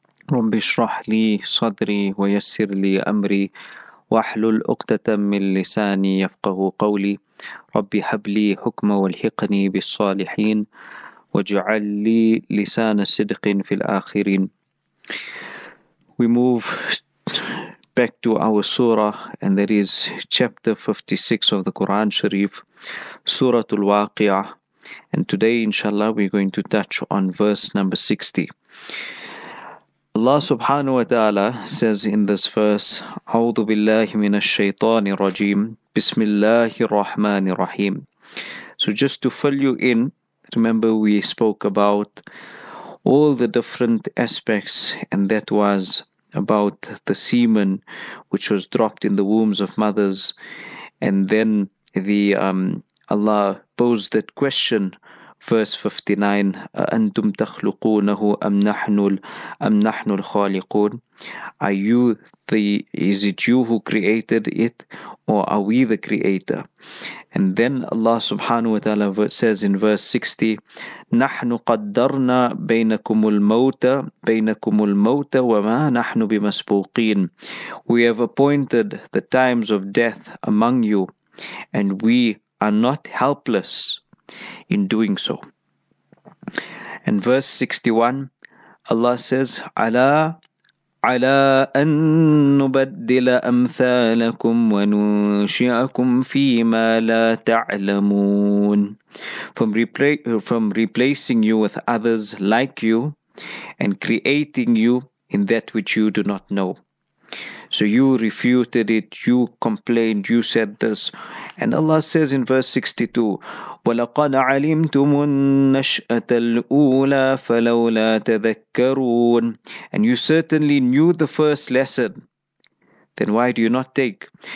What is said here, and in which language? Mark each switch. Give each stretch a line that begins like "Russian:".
Arabic: رب اشرح لي صدري ويسر لي أمري واحلل عقدة من لساني يفقه قولي. رب هب لي حكم والحقني بالصالحين واجعل لي لسان صدق في الآخرين.
English: We move back to our surah, and that is chapter 56 of the Quran Sharif, Surah Al-Waqi'ah. And today, inshallah, we're going to touch on verse number 60. Allah subhanahu wa ta'ala says in this verse,
Arabic: أعوذ بالله من الشيطان الرجيم بسم الله الرحمن الرحيم.
English: So just to fill you in, remember we spoke about all the different aspects, and that was about the semen which was dropped in the wombs of mothers, and then the Allah posed that question, verse 59,
Arabic: أَأَنْتُمْ تَخْلُقُونَهُ أَمْ نَحْنُ الْخَالِقُونَ.
English: Are you the, is it you who created it, or are we the creator? And then Allah subhanahu wa ta'ala says in verse 60,
Arabic: نَحْنُ قَدَّرْنَا بَيْنَكُمُ الْمَوْتَ وَمَا نَحْنُ بِمَسْبُوقِينَ.
English: We have appointed the times of death among you, and we are not helpless in doing so. And verse 61, Allah says,
Arabic: عَلَىٰ أَن نُبَدِّلَ أَمْثَالَكُمْ وَنُنشِئَكُمْ فِي مَا لَا تَعْلَمُونَ.
English: From replacing you with others like you and creating you in that which you do not know. So you refuted it, you complained, you said this. And Allah says in verse 62,
Arabic: وَلَقَدْ عَلِمْتُمُ النَّشْأَةَ الْأُولَى فَلَوْلَا تَذَكَّرُونَ.
English: And you certainly knew the first lesson, then why do you not take?